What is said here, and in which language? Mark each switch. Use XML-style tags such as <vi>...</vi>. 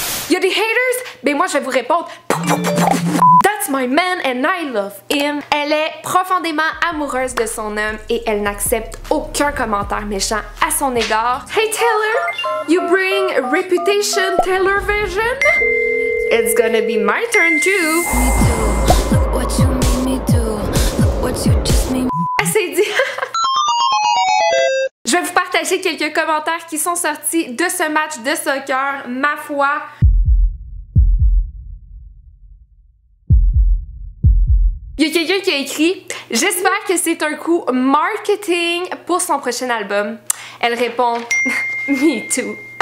<fr>Y'a des haters? Ben moi, je vais vous répondre.</fr> <en>That's my man and I love him.</en> <fr>Elle est profondément amoureuse de son homme et elle n'accepte aucun commentaire méchant à son égard.</fr> <en>Hey Taylor, you bring reputation Taylor vision? It's gonna be my turn too. Me too. Look what you made me do. Look what you just made me do.</en> <fr>Ah, c'est dit. Je vais vous partager quelques commentaires qui sont sortis de ce match de soccer, ma foi. Il y a quelqu'un qui a écrit « J'espère que c'est un coup marketing pour son prochain album. » Elle répond «</fr> <en>Me too.</en>